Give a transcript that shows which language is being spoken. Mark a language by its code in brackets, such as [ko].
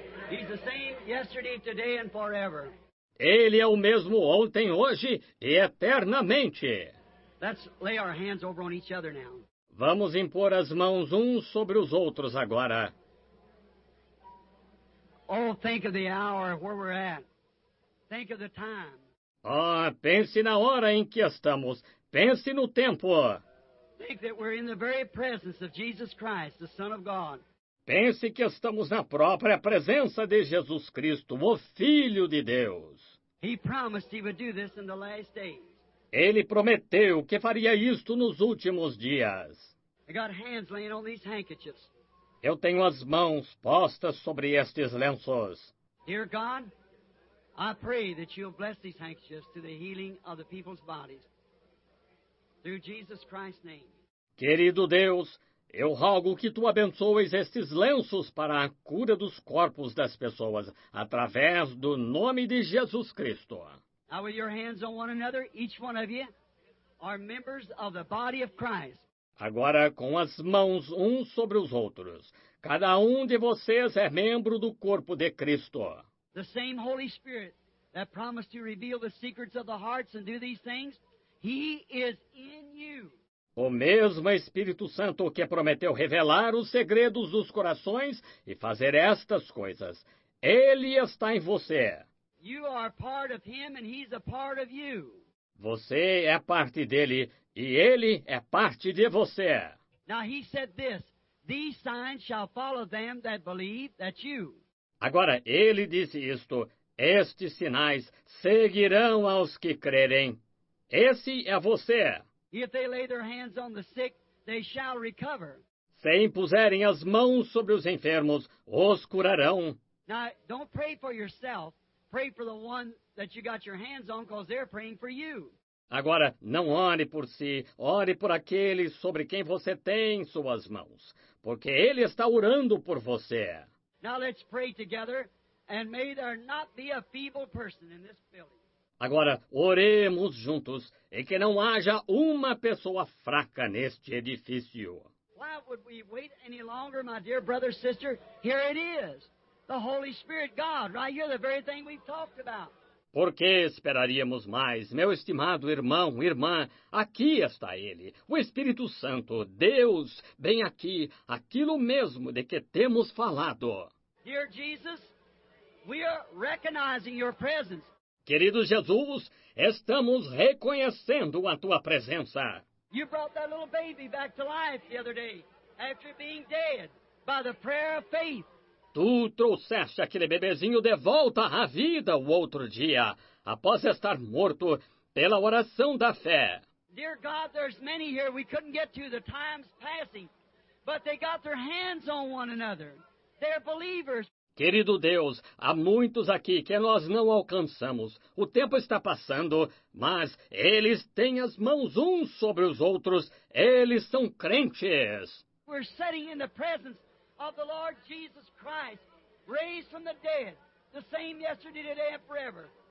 [en] He's the same yesterday, today and forever. [pt] Ele é o mesmo ontem, hoje e eternamente. [en] Let's lay our hands over on each other now. [pt] Vamos impor as mãos uns sobre os outros agora. [en] Oh, think of the hour where we're at. Think of the time. [pt] Oh, pense na hora em que estamos. Pense no tempo. [en] Think that we're in the very presence of Jesus Christ, the Son of God. [pt] Pense que estamos na própria presença de Jesus Cristo, o Filho de Deus. [en] He promised he would do this in the last days. [pt] Ele prometeu que faria isto nos últimos dias. [en] I got hands laying on these handkerchiefs. [pt] Eu tenho as mãos postas sobre estes lenços. [en] Dear God, I pray that you'll bless these handkerchiefs to the healing of the people's bodies. Through Jesus Christ's name. [pt] Querido Deus, eu rogo que tu abençoes estes lenços para a cura dos corpos das pessoas, através do nome de Jesus Cristo. [en] Now with your hands on one another, each one of you are members of the body of Christ. [pt] Agora com as mãos uns sobre os outros, cada um de vocês é membro do corpo de Cristo. [en] The same Holy Spirit that promised to reveal the secrets of the hearts and do these things, He is in you. [pt] O mesmo Espírito Santo que prometeu revelar os segredos dos corações e fazer estas coisas, Ele está em você. [en] You are part of him and he's a part of you. [pt] Você é parte dele e ele é parte de você. [en] Now he said this, these signs shall follow them that believe that you. [pt] Agora ele disse isto, estes sinais seguirão aos que crerem. Esse é você. [en] If they lay their hands on the sick, they shall recover. [pt] Se impuserem as mãos sobre os enfermos, os curarão. [en] Now don't pray for yourself. Pray for the one that you got your hands on, because they're praying for you. [pt] Agora, não ore por si, ore por aquele sobre quem você tem suas mãos, porque ele está orando por você. [en] Now let's pray together, and may there not be a feeble person in this building. [pt] Agora, oremos juntos, e que não haja uma pessoa fraca neste edifício. [en] Why would we wait any longer, my dear brother, sister? Here it is. The Holy Spirit, God, right here, the very thing we've talked about. [pt] Por que esperaríamos mais, meu estimado irmão, irmã? Aqui está Ele, o Espírito Santo, Deus, bem aqui, aquilo mesmo de que temos falado. [en] Dear Jesus, we are recognizing your presence. [pt] Querido Jesus, estamos reconhecendo a Tua presença. [en] You brought that little baby back to life the other day, after being dead, by the prayer of faith. [pt] Tu trouxeste aquele bebezinho de volta à vida o outro dia, após estar morto pela oração da fé. [en] Dear God, there's many here we couldn't get to, the time's passing, but they got their hands on one another. They're believers. [pt] Querido Deus, há muitos aqui que nós não alcançamos. O tempo está passando, mas eles têm as mãos uns sobre os outros. Eles são crentes. [en] We're sitting in the presence of the Lord Jesus Christ, raised from the dead, the same yesterday, today, and forever.